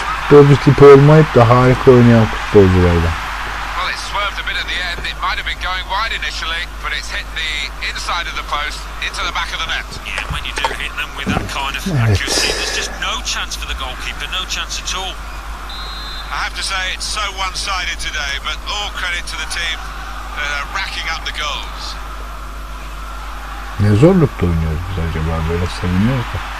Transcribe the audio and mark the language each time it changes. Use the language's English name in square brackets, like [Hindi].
[Turkish] Böyle tip olmayıp da harika oynayan futbolculardan. [English] Well, it swerved a bit at the end. It might have been going wide initially, but it's hit the inside of the post into the back of the net. Yeah, when you do hit them with that kind of accuracy. Chance for the goalkeeper, no chance at all. I have to say it's so one-sided today, but all credit to the team that are racking up the goals. [Turkish] Ne zorlukta oynuyoruz biz acaba, böyle seviniyoruz da.